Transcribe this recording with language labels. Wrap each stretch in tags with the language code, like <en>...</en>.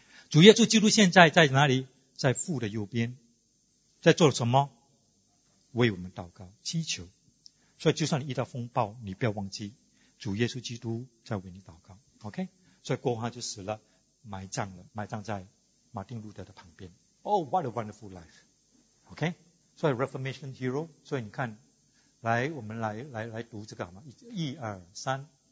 <zh>主耶稣基督现在在哪里？在父的右边，在做什么？为我们祷告祈求。所以就算你遇到风暴，你不要忘记主耶稣基督在为你祷告。 OK， 所以过后他就死了，埋葬了，埋葬在马丁路德的旁边。</zh> <en>Oh, what a wonderful life. OK，</en> <zh>所以</zh> <en>Reformation Hero。</en> <zh>所以你看，来，我们来读这个好吗？一二三。</zh>